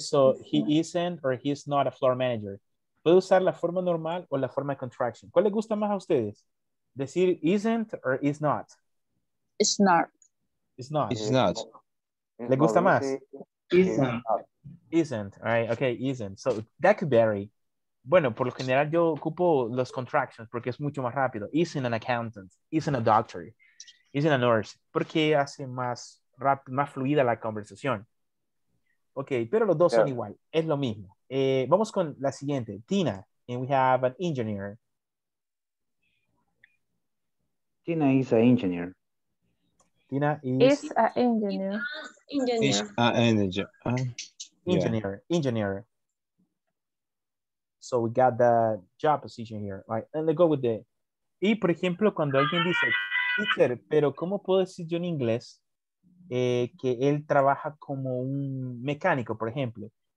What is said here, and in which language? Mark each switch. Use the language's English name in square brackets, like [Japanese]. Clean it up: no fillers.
[English] So he isn't or he's not a floor manager. [Spanish] ¿Puedo usar la forma normal o la forma de contraction? ¿Cuál les gusta más a ustedes? Decir [English] isn't or is not. It's not. It's not. It's not. [Spanish] ¿Le gusta más? [English] Isn't. Isn't, right? Okay, isn't. So that could vary. [Spanish] Bueno, por lo general yo ocupo los contractions porque es mucho más rápido. [English] Isn't an accountant. Isn't a doctor. Isn't a nurse. [Spanish] Porque hace más fluida la conversación. Okay, pero los dos son igual. Es lo mismo. Vamos con la siguiente. Tina, [English] and we have an engineer. Tina is an engineer. Tina is an engineer. Engineer. So we got the job position here, right? And let's go with the. [Spanish] Y por ejemplo, cuando alguien dice, teacher, pero ¿cómo puedo decir yo en inglés que él trabaja como un mecánico, por ejemplo?